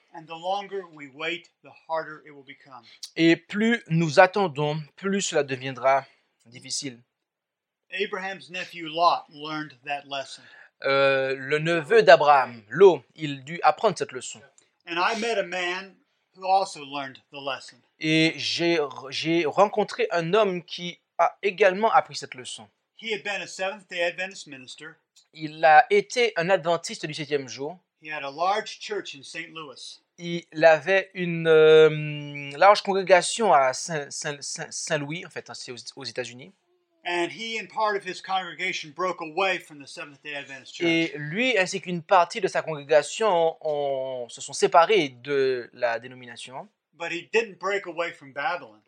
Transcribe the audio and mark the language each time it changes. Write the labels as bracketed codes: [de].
[en] And the longer we wait, the harder it will become. [fr] Et plus nous attendons, plus cela deviendra difficile. [en] Abraham's nephew Lot learned that lesson. [fr] Le neveu d'Abraham, Lot, il dut apprendre cette leçon. [en] And I met a man who also learned the lesson. [fr] Et j'ai rencontré un homme qui a également appris cette leçon. [en] He had been a Seventh-day Adventist minister. [fr] Il a été un adventiste du septième jour. [en] He had a large church in St. Louis. [fr] Il avait une large congrégation à Saint-Louis, en fait, c'est aux États-Unis. [en] And he and part of his congregation broke away from the Seventh-day Adventist church. [fr] Et lui ainsi qu'une partie de sa congrégation se sont séparés de la dénomination. [en] But he didn't break away from Babylon.